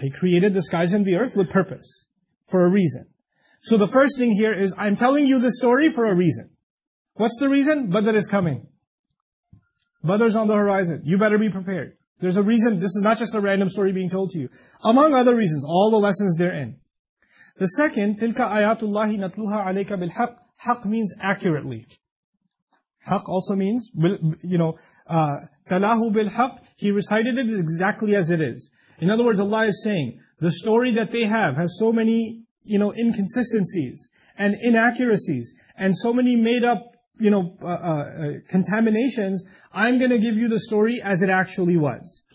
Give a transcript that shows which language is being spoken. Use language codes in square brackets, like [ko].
[en] He created the skies and the earth with purpose, for a reason. So the first thing here is, I'm telling you this story for a reason. What's the reason? Badr is coming. Badr's on the horizon. You better be prepared. There's a reason. This is not just a random story being told to you. Among other reasons, all the lessons therein. The second, [ar] تِلْكَ آيَاتُ اللَّهِ نَتْلُوهَا عَلَيْكَ بِالْحَقِّ. [en] Haqq means accurately. Haqq also means, you know, [ar] تَلَاهُ بِالْحَقِّ. [en] He recited it exactly as it is. In other words, Allah is saying, the story that they have has so many, you know, inconsistencies and inaccuracies and so many made up, you know, contaminations, I'm going to give you the story as it actually was.